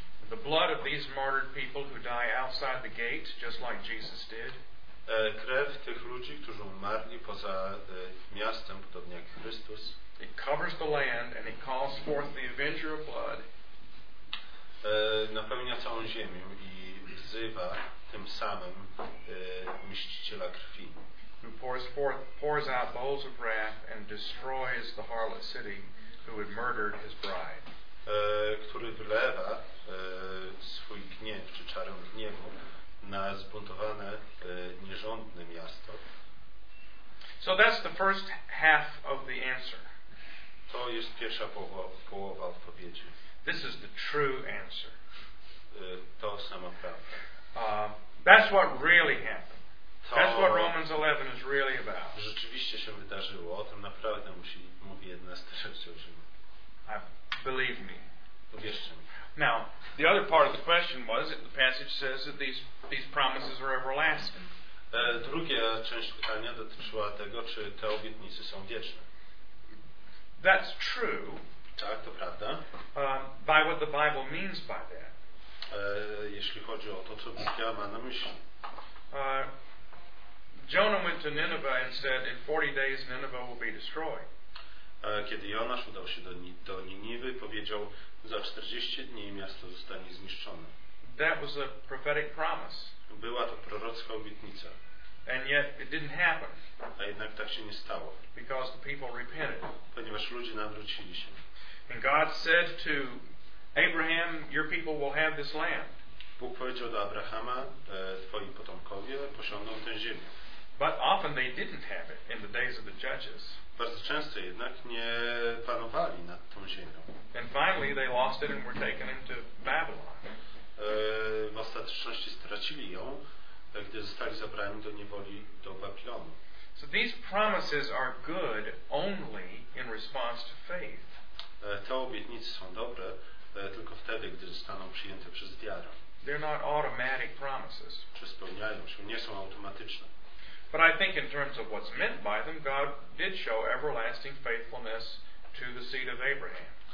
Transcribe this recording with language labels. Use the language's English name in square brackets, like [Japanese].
[English] The blood of these martyred people who die outside the gate, just like Jesus did. [Polish] Krew tych ludzi, którzy umarli poza miastem, podobnie jak Chrystus. [English] It covers the land and it calls forth the avenger of blood. [Polish] Napełnia całą ziemię i wzywa tym samym mściciela krwi. [English] Who pours out bowls of wrath and destroys the harlot city who had murdered his bride. [Polish] Który wylewa swój gniew czy czarę gniewu na zbuntowane nierządne miasto. [English] So that's the first half of the answer. [Polish] To jest pierwsza połowa odpowiedzi. [English] This is the true answer. [Polish] To sama prawda. [English] That's what really happened. That's what Romans 11 is really about. [Polish] Rzeczywiście się wydarzyło. O tym naprawdę mówi 11 rozdział Rzymian. [English] Believe me. [Polish] Uwierzcie mi. [English] Now, the other part of the question was that the passage says that these promises are everlasting. [Polish] Druga część pytania dotyczyła tego, czy te obietnice są wieczne. [English] That's true. [Polish] Tak, to prawda. [English] By what the Bible means by that. [Polish] Jeśli chodzi o to, co Biblia ma na myśli. [English] Jonah went to Nineveh and said, in 40 days Nineveh will be destroyed. [Polish] Kiedy Jonasz udał się do Niniwy, powiedział, za 40 dni miasto zostanie zniszczone. [English] That was a prophetic promise. [Polish] Była to prorocka obietnica. [English] And yet it didn't happen. [Polish] A jednak tak się nie stało. [English] Because the people repented. [Polish] Ponieważ ludzie nawrócili się. [English] And God said to Abraham, your people will have this land. [Polish] Bóg powiedział do Abrahama, twoi potomkowie posiądą tę ziemię. [English] But often they didn't have it in the days of the judges. [Polish] Bardzo często jednak nie panowali nad tą ziemią. [English] And finally they lost it and were taken into Babylon. [Polish] W ostateczności stracili ją, gdy zostali zabrani do niewoli do Babilonu. [English] So these promises are good only in response to faith. [Polish] Te obietnice są dobre tylko wtedy, gdy zostaną przyjęte przez wiarę. [English] They're not automatic promises. [Polish] Czy spełniają się, nie są automatyczne. [English] But I think in terms of what's meant by them, God did show everlasting faithfulness to the seed of Abraham.